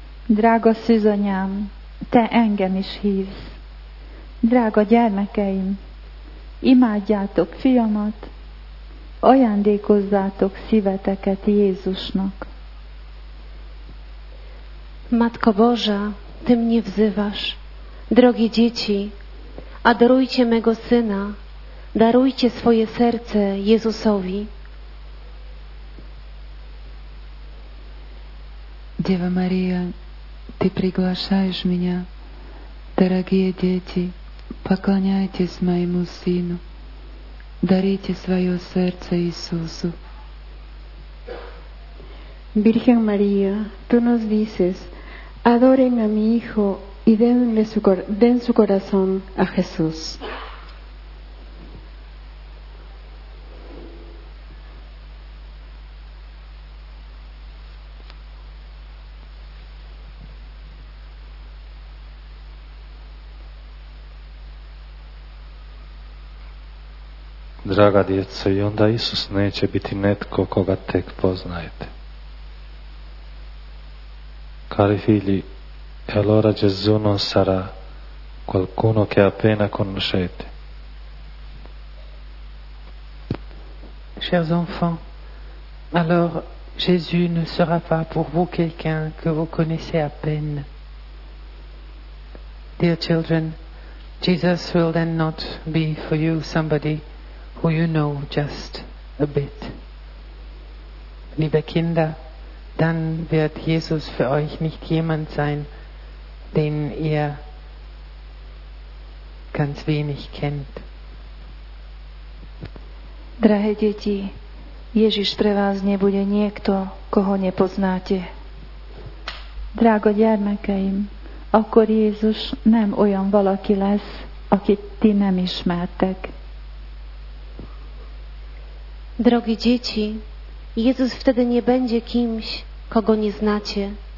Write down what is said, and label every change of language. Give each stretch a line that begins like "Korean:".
Hungarian: Drágo szűzanyám, te engem is hívsz. Drága gyermekeim, imádjátok fiamat, ajándékozzátok szíveteket Jézusnak.
Polish: Matko Boża, ty mnie wzywasz. Drogie dzieci, adorujcie mego syna, darujcie swoje serce Jezusowi. Dziewa Maria, ty przygłaszasz mnie. Drogie dzieci, pokłaniajcie się mojemu synu. Darujcie swoje serce Jezusu.
Spanish: Virgen Maria, tu nos dices, adoren a mi hijo y denle su den su corazón a Jesús.
Croatian: Draga djeco, i onda Isus neće biti netko koga tek poznajete.
Italian: Cari figli, e allora Gesù non sarà qualcuno che appena conoscete.
French: Chers enfants, alors Jésus ne sera pas pour vous quelqu'un que vous connaissez à peine.
English: Dear children, Jesus will then not be for you somebody who you know just a bit.
German: Liebe Kinder, dann wird Jesus für euch nicht jemand sein, den ihr ganz wenig kennt.
Slovak: Drahé deti, Ježiš pre vás nebude niekto, koho nepoznáte.
Hungarian: Drágo gyermekeim, akkor Jézus nem olyan valaki lesz, akit ti nem ismertek.
Polish: Drogi dzieci, Jezus wtedy nie będzie kimś, kogo nie znacie.